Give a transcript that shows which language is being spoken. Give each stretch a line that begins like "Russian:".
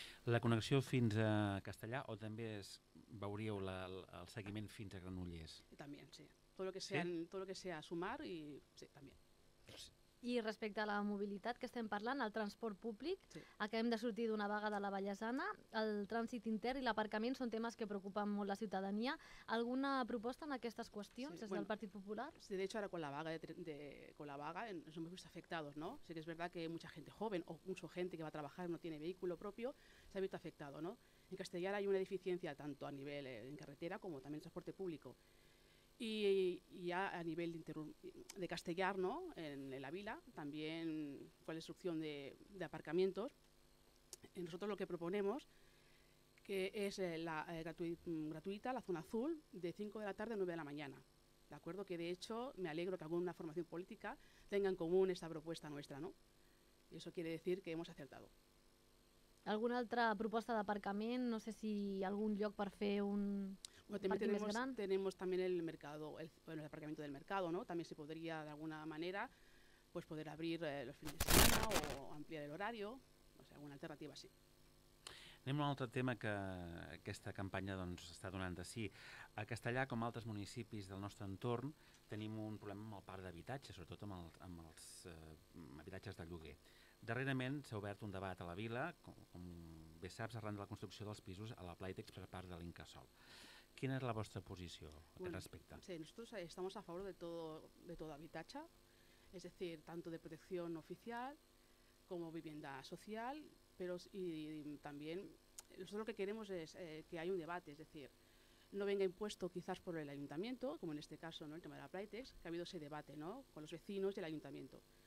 Catalan: La connexió fins a Castellà, o també veuríeu el seguiment fins a Granollers?
Spanish: También, sí. Todo lo que sea sumar, y sí, también.
Catalan: I respecte a la mobilitat que estem parlant, el transport públic, sí. Acabem de sortir d'una vaga de la Vallesana, el trànsit intern i l'aparcament són temes que preocupen molt la ciutadania. Alguna proposta en aquestes qüestions sí. Des del Partit Popular?
Spanish: Sí, de hecho, ahora con la vaga, nos hemos visto afectados, ¿no? Sí que es verdad que mucha gente joven o mucha gente que va a trabajar no tiene vehículo propio, se ha visto afectado, ¿no? En Castellar hay una deficiencia tanto a nivel en carretera como también en transporte público. Y ya a nivel de Castellar, ¿no? en la vila, también con la instrucción de aparcamientos, nosotros lo que proponemos que es gratuita la zona azul de 5 de la tarde a 9 de la mañana. De acuerdo, que de hecho me alegro que alguna formación política tenga en común esta propuesta nuestra, ¿no? Y eso quiere decir que hemos acertado. ¿Alguna otra propuesta de aparcamiento?
Catalan: No sé si algún lloc per fer un...
Spanish: Bueno, también tenemos también el mercado, el aparcamiento del mercado, ¿no? También se podría de alguna manera pues poder abrir los fines de semana o ampliar el horario, o sea, alguna alternativa sí.
Catalan: Anem a un altre tema que aquesta campanya doncs està donant de sí. A Castellà, com altres municipis del nostre entorn, tenim un problema amb el parc d'habitatge, sobretot amb els habitatges de lloguer. Darrerament s'ha obert un debat a la vila, com bé saps, arran de la construcció dels pisos a la Playtex per part de l'Incasòl.
Spanish: ¿Quién es la vuestra posición al respecto? Sí, nosotros estamos a favor de todo habitatge. es decir, tanto de protección oficial como vivienda social, pero y también nosotros lo que queremos es que haya un debate, es decir, no venga impuesto quizás por el ayuntamiento, como en este caso, ¿no?, el tema de la Playtex, que ha habido ese debate, ¿no?, con los vecinos y el ayuntamiento.